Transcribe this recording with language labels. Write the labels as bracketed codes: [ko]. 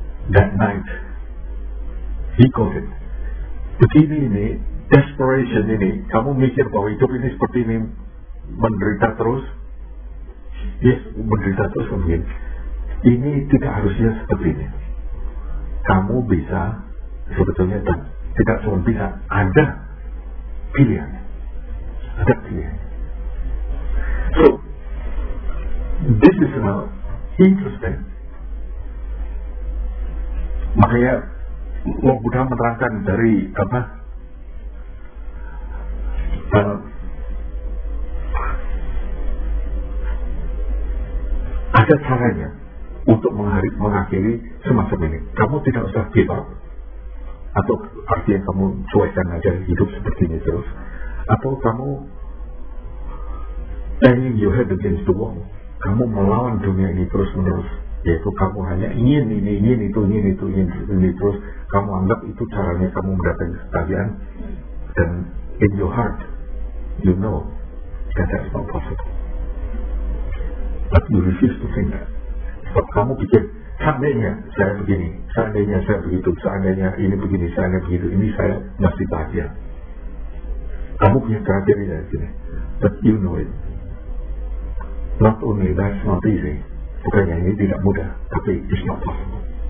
[en] That night, he got it. [id] Begini ini, desperation ini, kamu mikir bahwa hidup ini seperti ini, menderita terus? Yes, menderita terus mungkin. Ini tidak harusnya seperti ini. Kamu bisa, sebetulnya dan tidak cuma bisa, ada pilihan. Ada pilihan. [en] So, this is now interesting. [id] Makanya, Lord Buddha menerangkan dari apa dalam ada caranya untuk mengakhiri semacam ini. Kamu tidak usah [en] give up. [id] Atau artinya kamu cuekkan aja hidup seperti ini terus. Atau kamu [en] banging your head against the wall. [id] Kamu melawan dunia ini terus-menerus. Yaitu kamu hanya ingin ini, ingin itu, ingin itu, ingin itu, ingin terus. Kamu anggap itu caranya kamu mendapatkan kesetiaan. Dan [en] in your heart, you know that that's not possible. But you refuse to think that. [id] Sebab kamu pikir, seandainya saya begini, seandainya saya begitu, seandainya ini begini, seandainya begitu, ini saya masih bahagia. Kamu punya kriteria di sini. [en] But you know it. Not only that's not easy. [id] Bukannya ini tidak mudah, tapi [en] it's not possible.